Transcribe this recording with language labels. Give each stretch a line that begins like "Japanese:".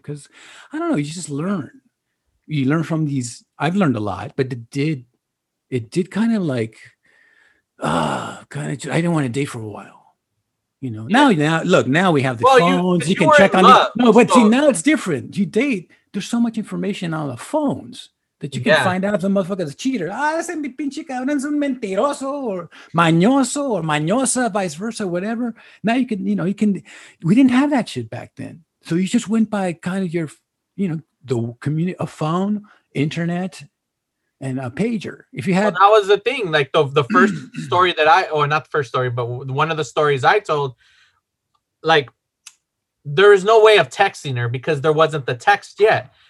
English: Cause I don't know. You just learn from these. I've learned a lot, but it did it did kind of like, I didn't want to date for a while. You know, now we have the phones. You can check on it. No, but see, now it's different. You date, there's so much information on the phones that you can find out if the motherfucker's a cheater.
Spanish: Ese mi pinche cabrón es un mentiroso or mañoso or mañosa,
English: vice versa, whatever. Now you can, you know, you can, we didn't have that shit back then. So you just went by kind of your, you know, the community, a phone, internet, and a pager. If you had, well, that was the thing. Like the first story that I, or not the first story, but one of the stories I told, like, there is no way of texting her because there wasn't the text yet.